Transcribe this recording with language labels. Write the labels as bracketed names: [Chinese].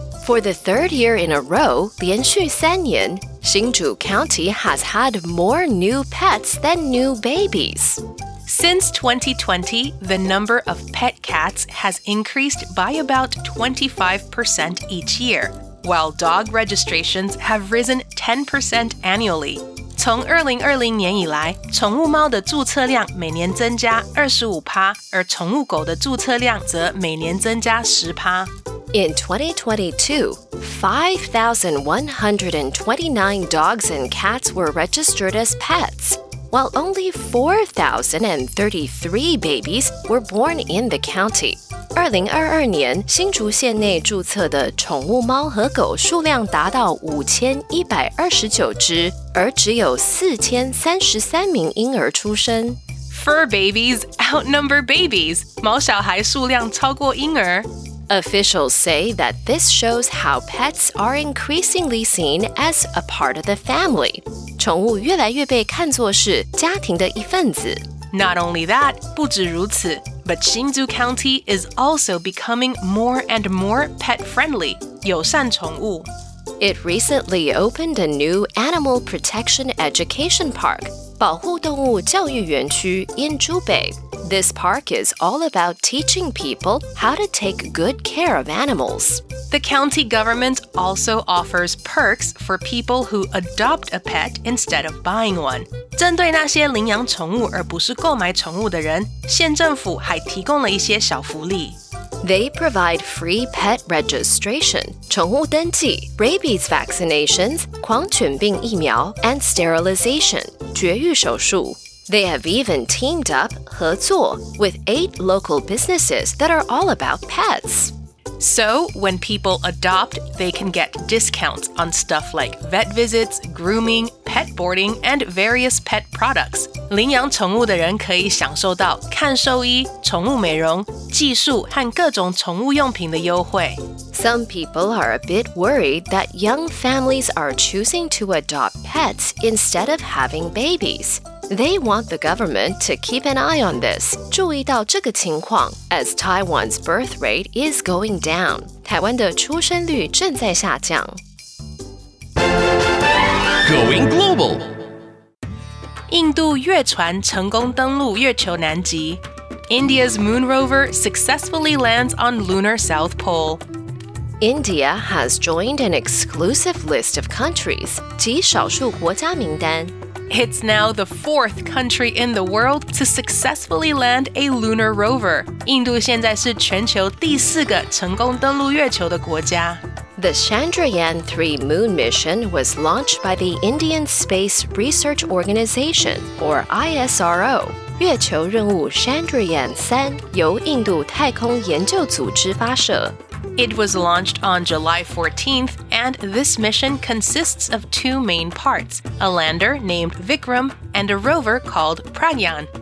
[English] For the third year in a row, [Chinese] 连续三年, [English] Hsinchu County has had more new pets than new babies. Since 2020, the number of pet cats has increased by about 25% each year. While dog registrations have risen 10% annually. [Chinese] 从2020年以来,宠物猫的注册量每年增加 25%, 而宠物狗的注册量则每年增加 10%. [English] In 2022, 5,129 dogs and cats were registered as pets, while only 4,033 babies were born in the county. [Chinese] 2022年,新竹县内注册的宠物猫和狗数量达到5129只,而只有4033名婴儿出生。 [English] Fur babies outnumber babies, [Chinese] 毛小孩数量超过婴儿。 [English] Officials say that this shows how pets are increasingly seen as a part of the family. [Chinese] 宠物越来越被看作是家庭的一份子。 [English] Not only that, [Chinese] 不止如此。 [English] But Hsinchu County is also becoming more and more pet-friendly, [Chinese] 友善宠物。 [English] It recently opened a new Animal Protection Education Park, [Chinese] 保护动物教育园区 [English] in [Chinese] Zhubei. [English] This park is all about teaching people how to take good care of animals. The county government also offers perks for people who adopt a pet instead of buying one. [Chinese] 针对那些领养宠物而不是购买宠物的人，县政府还提供了一些小福利。 [English] They provide free pet registration, [Chinese] 宠物登记, [English] rabies vaccinations, [Chinese] 狂犬病疫苗, [English] and sterilization, [Chinese] 绝育手术。 [English] They have even teamed up, [Chinese] 合作, [English] with 8 local businesses that are all about pets. So, when people adopt, they can get discounts on stuff like vet visits, grooming, pet boarding, and various pet products. [Chinese] 领养宠物的人可以享受到看兽医、宠物美容、技术和各种宠物用品的优惠。 [English] Some people are a bit worried that young families are choosing to adopt pets instead of having babies. They want the government to keep an eye on this, [Chinese] 注意到这个情况, [English] as Taiwan's birth rate is going down. [Chinese] 台湾的出生率正在下降。 [English] Going global. [Chinese] 印度月船成功登陆月球南极。 [English] India's moon rover successfully lands on lunar South Pole. India has joined an exclusive list of countries, [Chinese] 及少数国家名单。 [English] It's now the fourth country in the world to successfully land a lunar rover. [Chinese] 印度现在是全球第四个成功登陆月球的国家。 [English] The Chandrayaan-3 moon mission was launched by the Indian Space Research Organization, or ISRO. [Chinese] 月球任务 Chandrayaan-3 由印度太空研究组织发射。 [English] It was launched on July 14th, and this mission consists of two main parts, a lander named Vikram and a rover called Pragyan.